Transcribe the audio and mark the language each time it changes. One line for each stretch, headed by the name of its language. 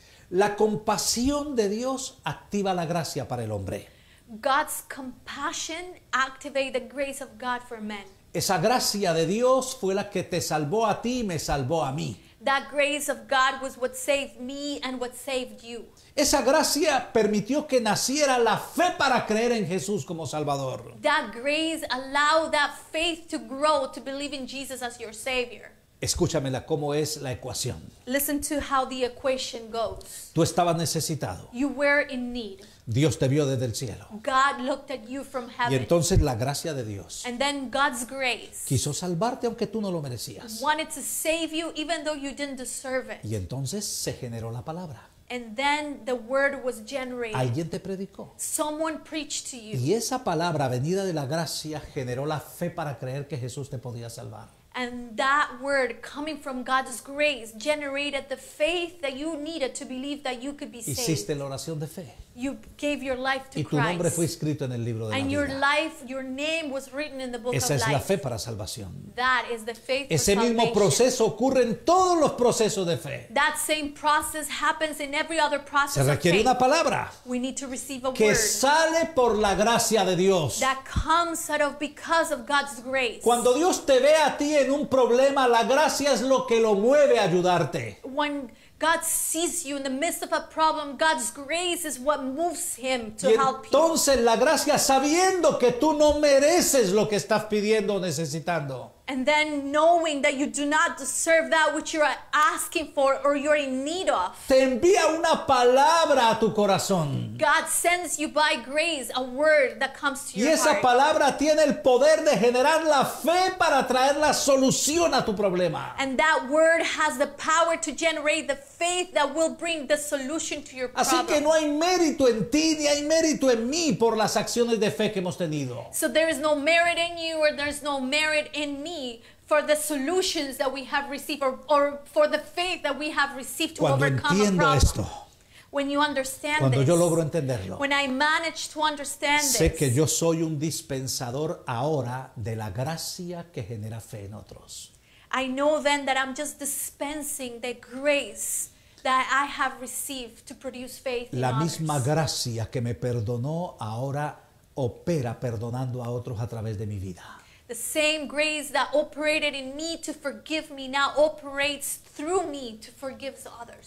Spanish: La compasión de Dios activa la gracia para el hombre.
English: God's compassion activates the grace of God for men.
Spanish: Esa gracia de Dios fue la que te salvó a ti y me salvó a mí.
English: That grace of God was what saved me and what saved you.
Spanish: Esa gracia permitió que naciera la fe para creer en Jesús como Salvador.
English: That grace allowed that faith to grow, to believe in Jesus as your Savior.
Spanish: Escúchamela, ¿cómo es la ecuación?
English: Listen to how the equation goes.
Spanish: Tú estabas necesitado.
English: You were in need.
Spanish: Dios te vio desde el cielo.
English: God looked at you from heaven.
Spanish: Y entonces la gracia de Dios.
English: And then God's grace.
Spanish: Quiso salvarte aunque tú no lo merecías.
English: Wanted to save you even though you didn't deserve it.
Spanish: Y entonces se generó la palabra.
English: And then the word was generated.
Spanish: Alguien te predicó.
English: Someone preached to you.
Spanish: Y esa palabra venida de la gracia generó la fe para creer que Jesús te podía salvar.
English: And that word coming from God's grace generated the faith that you needed to believe that you could be saved.
Spanish: Hiciste la oración de fe.
English: You gave your life to Christ.
Spanish: Y tu nombre fue escrito en el libro de la vida.
English: And your name was written in the book of life.
Spanish: Esa es la fe para salvación.
English: That is the faith for salvation.
Spanish: Ese mismo proceso ocurre en todos los procesos de fe.
English: That same process happens in every other process of faith.
Spanish: Se requiere una palabra.
English: We need to receive a word.
Spanish: Que sale por la gracia de Dios.
English: That comes out of because of God's grace.
Spanish: Cuando Dios te ve a ti en un problema, la gracia es lo que lo mueve a ayudarte.
English: When God sees you in the midst of a problem, God's grace is what moves him to help you.
Spanish: Entonces la gracia, sabiendo que tú no mereces lo que estás pidiendo o necesitando.
English: And then knowing that you do not deserve that which you are asking for or you're in need of.
Spanish: Te envía una palabra a tu corazón.
English: God sends you by grace a word that comes to your heart.
Spanish: Y esa
English: heart.
Spanish: Palabra tiene el poder de generar la fe para traer la solución a tu problema.
English: And that word has the power to generate the faith that will bring the solution to your problem.
Spanish: Así que no hay mérito en ti ni hay mérito en mí por las acciones de fe que hemos tenido.
English: So there is no merit in you or there's no merit in me for the solutions that we have received or for the faith that we have received to
Spanish: cuando
English: overcome a problem.
Spanish: Esto,
English: when you understand
Spanish: cuando
English: this,
Spanish: yo logro entenderlo,
English: when I manage to understand
Spanish: sé
English: this,
Spanish: que yo soy un dispensador ahora de la gracia que genera fe en otros.
English: I know then that I'm just dispensing the grace that I have received to produce faith
Spanish: la
English: in
Spanish: misma
English: others.
Spanish: Gracia que me perdonó ahora opera perdonando a otros a través de mi vida.
English: The same grace that operated in me to forgive me now operates through me to forgive others.